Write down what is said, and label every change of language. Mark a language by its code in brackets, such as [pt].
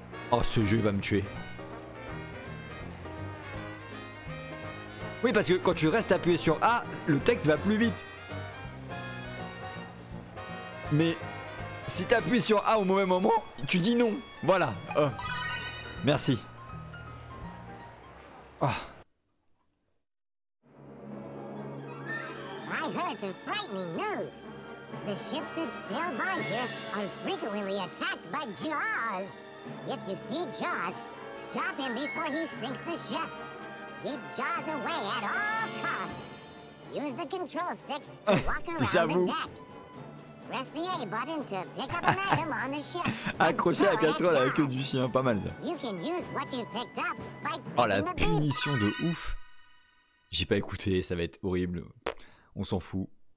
[fr] Oh, ce jeu va me tuer. Oui, parce que quand tu restes appuyé sur A, le texte va plus vite. Mais si t'appuies sur A au mauvais moment, tu dis non. Voilà. Merci. [en] I heard some frightening news. The ships that sail by here are frequently attacked by Jaws. If you see Jaws, stop him before he sinks the ship. Keep Jaws away at all costs. Use the control stick to walk around the deck. Press the A button to pick up an item on the ship. [fr] Accroché à la casserole avec du chien, pas mal ça. [en] You can use what you picked up by pressing. [fr] Oh, la punition de ouf. J'ai pas écouté, ça va être horrible. On s'en fout.